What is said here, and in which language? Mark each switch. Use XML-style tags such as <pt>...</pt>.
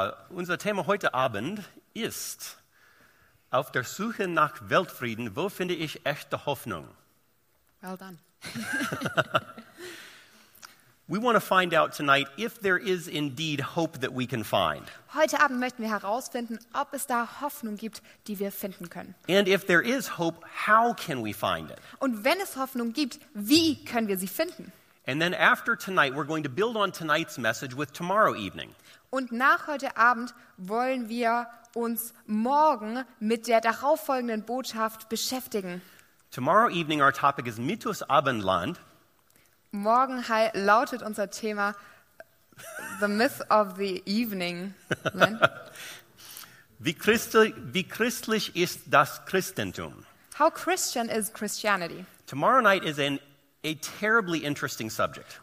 <de>Unser Thema heute Abend ist: Auf der Suche nach Weltfrieden, wo finde ich echte Hoffnung?</de> <en>Well done. We want to find out tonight if there is indeed hope that we can find.</en> <de>Heute Abend möchten wir herausfinden, ob es da Hoffnung gibt, die wir finden können.</de> <en>And if there is hope, how can we find it?</en> <de>Und wenn es Hoffnung gibt, wie können wir sie finden?</de> <en>And then after tonight, we're going to build on tonight's message with tomorrow evening.</en> <de>Und nach heute Abend wollen wir uns morgen mit der darauffolgenden Botschaft beschäftigen.</de> <en>Tomorrow evening, our topic is</en> <de>Mythos Abendland. Morgen lautet unser Thema</de> <en>The Myth of the Evening.</en> <de>Wie christlich ist das Christentum?</de> <en>How Christian is Christianity? Tomorrow night is a terribly interesting subject.</en>